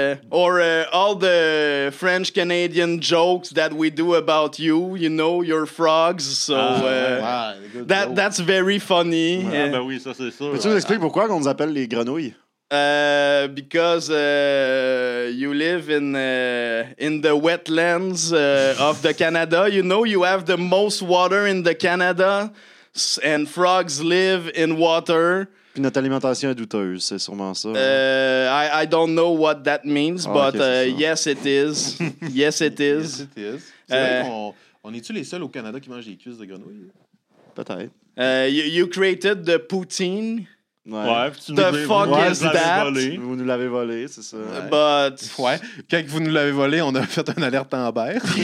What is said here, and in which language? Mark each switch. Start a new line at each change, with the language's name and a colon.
English: Or all the French Canadian jokes that we do about you know, your frogs. So that's very funny.
French: Ah, ben oui, ça c'est sûr. Peux-tu nous expliquer pourquoi on nous appelle les grenouilles?
English: Because you live in the wetlands of the Canada. You know, you have the most water in the Canada, and frogs live in water.
French: Puis notre alimentation est douteuse, c'est sûrement ça.
English: I don't know what that means, yes, it is. Yes, it is. Yes, it is.
French: On est-tu les seuls au Canada qui mangent des cuisses de grenouilles? Peut-être.
English: You created the poutine.
French: Vous nous l'avez volé, c'est ça. Ouais. But ouais, quand vous nous l'avez volé, on a fait un alerte Amber.